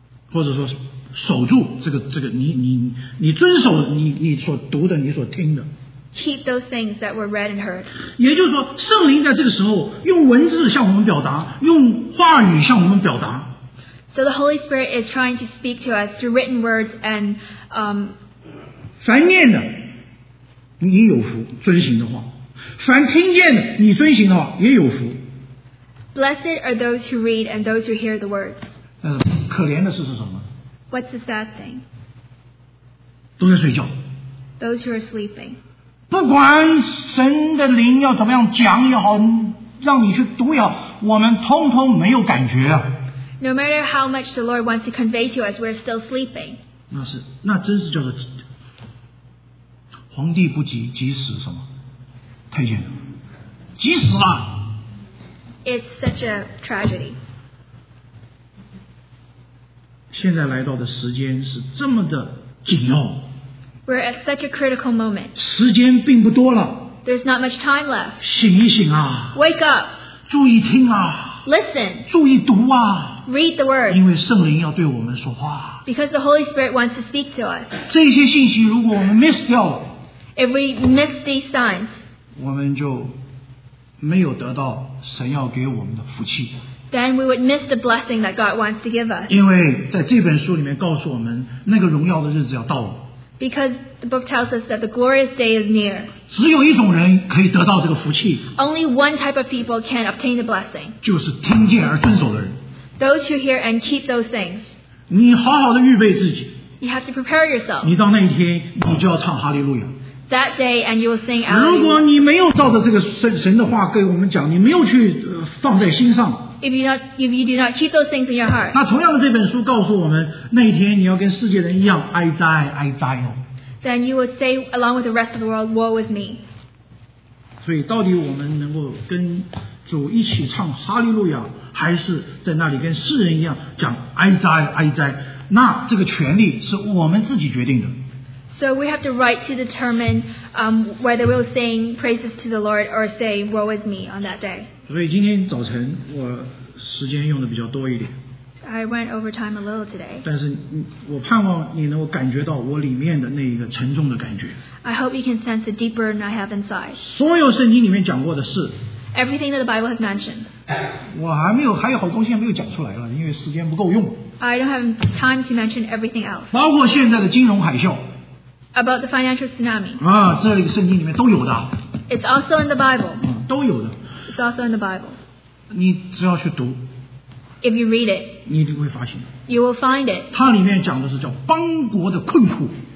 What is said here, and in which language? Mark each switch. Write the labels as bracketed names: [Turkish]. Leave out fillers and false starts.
[Chinese] 或者说守住这个你遵守你所读的你所听的 [English] ，keep those things that were read and heard。 [Chinese] 也就是说，圣灵在这个时候用文字向我们表达，用话语向我们表达。 [English] So the Holy Spirit is trying to speak to us through written words and [Chinese] 凡念的，你有福；遵行的话，凡听见的，你遵行的话也有福。 [English] Blessed are those who read and those who hear the words. [Chinese] 可怜的是什么？ [English] What's the sad thing? [Chinese] 都在睡觉。 [English] Those who are sleeping. [Chinese] 不管神的灵要怎么样讲也好，让你去读也好，我们通通没有感觉啊。 [English] No matter how much the Lord wants to convey to us, we're still sleeping. [Chinese] 那真是叫做皇帝不急，急死什么？太监，急死了。 [English] It's such a tragedy. [Chinese] 现在来到的时间是这么的紧要。 [English] We're at such a critical moment. [Chinese] 时间并不多了。 [English] There's not much time left. [Chinese] 醒一醒啊。 [English] Wake up. [Chinese] 注意听啊。 [English] Listen. [Chinese] 注意读啊。 [English] Read the word. [Chinese] 因为圣灵要对我们说话。 [English] Because the Holy Spirit wants to speak to us. [Chinese] 这些信息如果我们 miss 掉了。 [English] If we miss these signs. [Chinese] 我们就没有得到神要给我们的福气。 [English] Then we would miss the blessing that God wants to give us. [Chinese] 因为在这本书里面告诉我们，那个荣耀的日子要到了。 [English] Because the book tells us that the glorious day is near. [Chinese] 只有一种人可以得到这个福气。 [English] Only one type of people can obtain the blessing. [Chinese] 就是听见而遵守的人。 [English] Those who hear and keep those things. [Chinese] 你好好的预备自己。 [English] You have to prepare yourself. [Chinese] 你到那一天，你就要唱哈利路亚。 [English] That day, and you will sing out. [Chinese] 如果你没有照着这个神的话给我们讲，你没有去放在心上。 [English] If you do not keep those things in your heart. [Chinese] 那同样的，这本书告诉我们，那一天你要跟世界人一样哀哉哀哉哦。 [English] Then you would say along with the rest of the world, "Woe is me." [Chinese] 所以，到底我们能够跟主一起唱哈利路亚，还是在那里跟世人一样讲哀哉哀哉？那这个权利是我们自己决定的。 [English] So we have the right to determine whether we'll sing praises to the Lord or say woe is me on that day. [Chinese] 所以今天早晨我时间用的比较多一点。 [English] I went over time a little today. [Chinese] 但是我盼望你能够感觉到我里面的那一个沉重的感觉。 [English] I hope you can sense the deep burden I have inside. [Chinese] 所有圣经里面讲过的事。 [English] Everything that the Bible has mentioned. [Chinese] 我还有好东西还没有讲出来了，因为时间不够用。 [English] I don't have time to mention everything else. [Chinese] 包括现在的金融海啸。 [English] About the financial tsunami. [Chinese] 啊，这里圣经里面都有的。 [English] It's also in the Bible. [Chinese] 都有的。 [English] It's also in the Bible. [Chinese] 你只要去读。 [English] If you read it. [Chinese] 你一定会发现。 [English] You will find it. [Chinese] 它里面讲的是叫邦国的困苦。